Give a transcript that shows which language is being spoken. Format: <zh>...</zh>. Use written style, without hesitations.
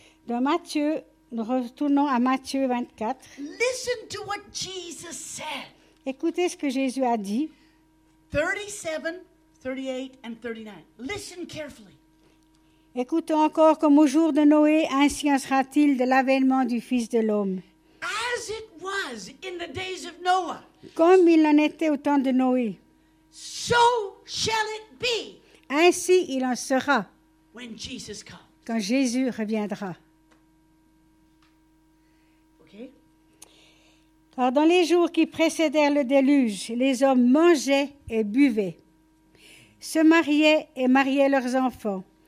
<fr>Dans Matthieu, nous retournons à Matthieu 24.</fr> <en>Listen to what Jesus said.</en> <fr>Écoutez ce que Jésus a dit.</fr> <en>37, 38 and 39. Listen carefully.</en> <fr>Écoutons encore comme au jour de Noé, ainsi en sera-t-il de l'avènement du Fils de l'homme.</fr> <en>As it was in the days of Noah,</en> <fr>comme il en était au temps de Noé,</fr> <en>so shall it be</en> <fr>ainsi il en sera</fr> <en>when Jesus comes.</en> <fr>Quand Jésus reviendra.</fr> <en>Okay.</en> <fr>Car dans les jours qui précédèrent le déluge, les hommes mangeaient et buvaient, se mariaient et mariaient leurs enfants.</fr>